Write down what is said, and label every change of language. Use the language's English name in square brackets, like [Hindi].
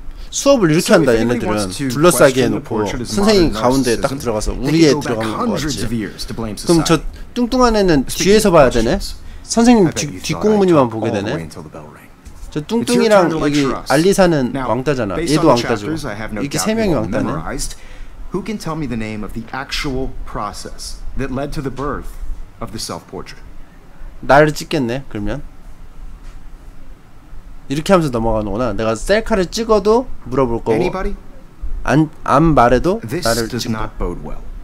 [Korean] 수업을 유치한다 얘네들은 둘러싸기 해놓고 선생님 가운데 딱 들어가서 우리에 들어가는 거 같지. 그럼 저 뚱뚱한 애는 뒤에서 봐야 되네? 선생님 뒷공무니만 보게 되네? 저 뚱뚱이랑 여기 알리사는 왕따잖아. 얘도 왕따죠. 이렇게 세 명이 왕따네. [English] Who can tell me the name of the actual process that led to the birth of the self-portrait? [Korean] 나를 찍겠네, 그러면. 이렇게 하면서 넘어가는구나. 내가 셀카를 찍어도 물어볼 거고 안 말해도 나를 찍고. [English] Well.